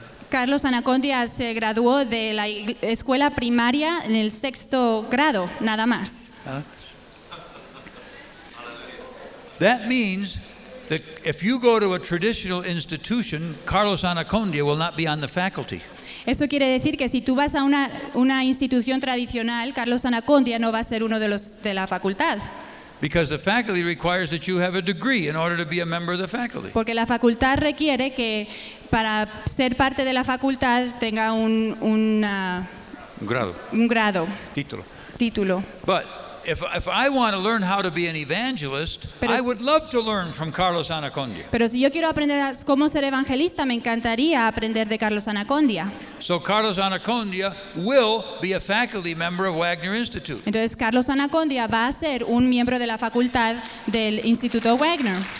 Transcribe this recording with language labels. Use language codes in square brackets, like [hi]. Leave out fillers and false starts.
[es] Carlos Anacondia se graduó de la escuela primaria en el sexto grado, nada más. [en] That means that if you go to a traditional institution, Carlos Anacondia will not be on the faculty. [es] Eso quiere decir que si tú vas a una institución tradicional, Carlos Anacondia no va a ser uno de los de la facultad. [en] Because the faculty requires that you have a degree in order to be a member of the faculty. [es] Porque la facultad requiere que para ser parte de la facultad tenga un grado. Título. [en] But if I want to learn how to be an evangelist, I would love to learn from Carlos Anacondia. [es] Pero si yo quiero aprender cómo ser evangelista, me encantaría aprender de Carlos Anacondia. [en] So Carlos Anacondia will be a faculty member of Wagner Institute. [es] Entonces Carlos Anacondia va a ser un miembro de la facultad del Instituto Wagner.